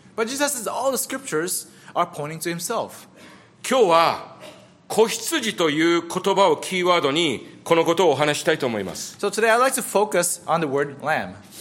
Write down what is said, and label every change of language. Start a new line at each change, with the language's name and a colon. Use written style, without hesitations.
English: But Jesus says all the scriptures are pointing to himself.
Japanese: 今日は子羊という言葉をキーワードにこのことをお話したいと思います。
English: So today I'd like to focus on the word lamb.